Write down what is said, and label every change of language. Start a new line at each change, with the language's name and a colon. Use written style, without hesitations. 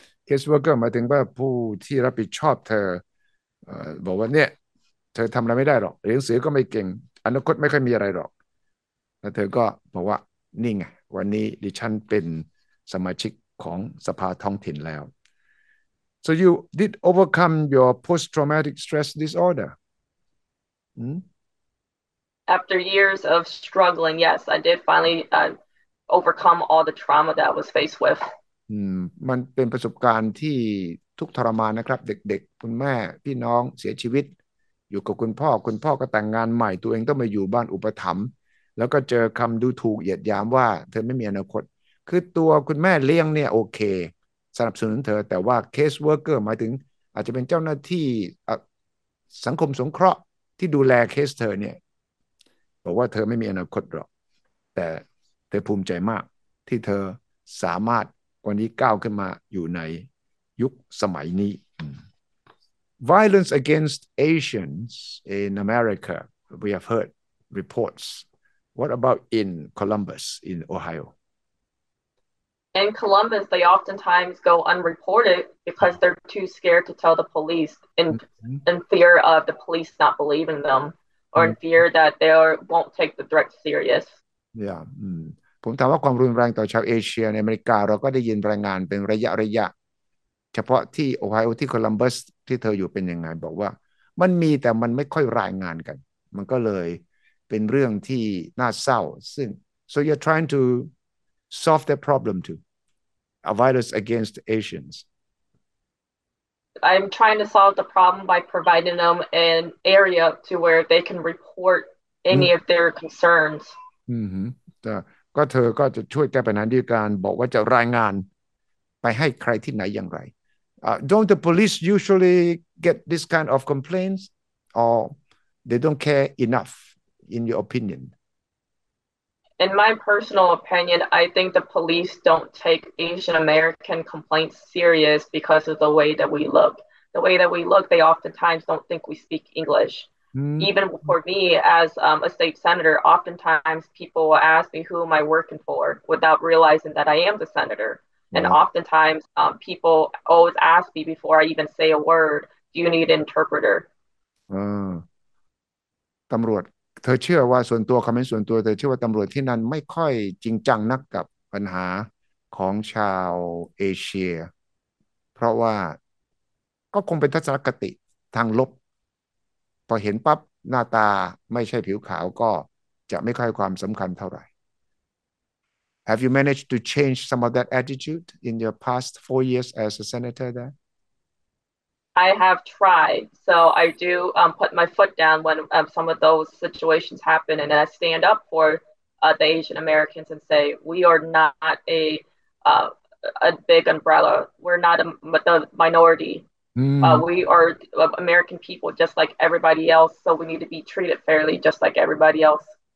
Thai: caseworker หมายถึงว่าผู้ที่รับผิดชอบเธอบอกว่าเนี่ยเธอทำอะไรไม่ได้หรอกเรียนหนังสือก็ไม่เก่งอนาคตไม่ค่อยมีอะไรหรอกแล้วเธอก็บอกว่านิ่งวันนี้ดิฉันเป็นสมาชิกของสภาท้องถิ่นแล้ว
English: So you did overcome your post-traumatic stress disorder. After years of struggling, yes, I did finally overcome all the trauma that I was faced with.
Thai: มันเป็นประสบการณ์ที่ทุกทรมานนะครับเด็กๆคุณแม่พี่น้องเสียชีวิตอยู่กับคุณพ่อก็แต่งงานใหม่ตัวเองต้องมาอยู่บ้านอุปถัมภ์แล้วก็เจอคำดูถูกเหยียดยามว่าเธอไม่มีอนาคตคือตัวคุณแม่เลี้ยงเนี่ยโอเคสนับสนุนเธอแต่ว่าเคสเวิร์กเกอร์หมายถึงอาจจะเป็นเจ้าหน้าที่ สังคมสงเคราะห์ที่ดูแลเคสเธอเนี่ยบอกว่าเธอไม่มีอนาคตหรอกแต่เธอภูมิใจมากที่เธอสามารถวันนี้ก้าวขึ้นมาอยู่ในยุคสมัยนี้
English: Violence against Asians in America we have heard reports what about in Columbus in Ohio in Columbus they oftentimes go unreported because they're too scared to tell the police in fear of the police not believing them or fear that they are, won't take the threat serious. Yeah.
Thai: ผมถามว่าความรุนแรงต่อชาวเอเชียในอเมริกาเราก็ได้ยินรายงานเป็นระยะเฉพาะที่โอไฮโอที่โคลัมบัสที่เธออยู่เป็นยังไงบอกว่ามันมีแต่มันไม่ค่อยรายงานกันมันก็เลยเป็นเรื่องที่น่าเศร้าซึ่ง
English: so you're trying to solve that problem too a virus against Asians I'm trying to solve the problem by providing them an area to where they can report any of their concerns
Thai: ก็เธอก็จะช่วยแก้ปัญหาด้วยการบอกว่าจะรายงานไปให้ใครที่ไหนอย่างไร
English: don't the police usually get this kind of complaints or they don't care enough in your opinion In my personal opinion, I think the police don't take Asian American complaints serious because of the way that we look. The way that we look, they oftentimes don't think we speak English. Mm-hmm. Even for me, as a state senator, oftentimes people will ask me who am I working for without realizing that I am the senator. And oftentimes people always ask me before I even say a word, do you need an interpreter?
Thai: ตำรวจเธอเชื่อว่าส่วนตัวคำเป็นส่วนตัวเธอเชื่อว่าตำรวจที่นั่นไม่ค่อยจริงจังนักกับปัญหาของชาวเอเชียเพราะว่าก็คงเป็นทัศนคติทางลบพอเห็นปั๊บหน้าตาไม่ใช่ผิวขาวก็จะไม่ค่อยความสำคัญเท่าไหร่
English: Have you managed to change some of that attitude in your past 4 years as a senator there? I have tried, so I do put my foot down when some of those situations happen, and I stand up for the Asian Americans and say, we are not a big umbrella. We're not the minority. We are American people just like everybody else, so we need to be treated fairly just like everybody else.